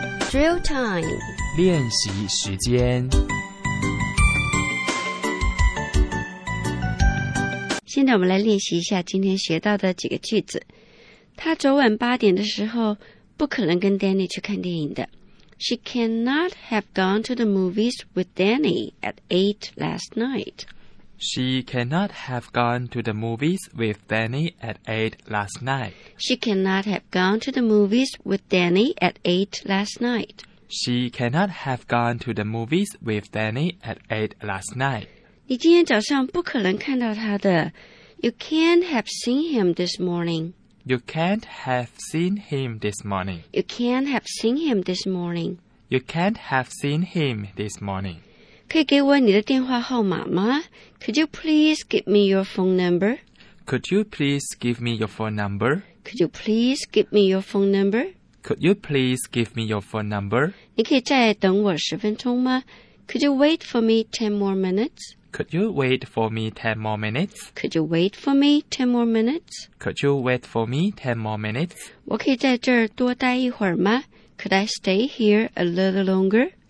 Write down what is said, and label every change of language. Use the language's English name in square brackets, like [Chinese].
[English] Drill time. [Chinese] 练习时间。现在我们来练习一下今天学到的几个句子。她昨晚八点的时候不可能跟 Danny 去看电影的。 [English] She cannot have gone to the movies with Danny at 8 last night. She cannot have gone to the movies with Danny at 8 last night. She cannot have gone to the movies with Danny at 8 last night. She cannot have gone to the movies with Danny at 8 last night. [Chinese] 你今天早上不可能看到他的。 [English] You can't have seen him this morning. You can't have seen him this morning. You can't have seen him this morning. You can't have seen him this morning. [Chinese] 可以给我你的电话号码吗？ [English] Could you please give me your phone number? Could you please give me your phone number? Could you please give me your phone number? Could you please give me your phone number? [Chinese] 你可以再等我十分钟吗？ [English] Could you wait for me 10 more minutes? Could you wait for me 10 more minutes? Could you wait for me 10 more minutes? Could you wait for me 10 more minutes? [Chinese] 我可以在这儿多待一会儿吗? [English] Could I stay here a little longer?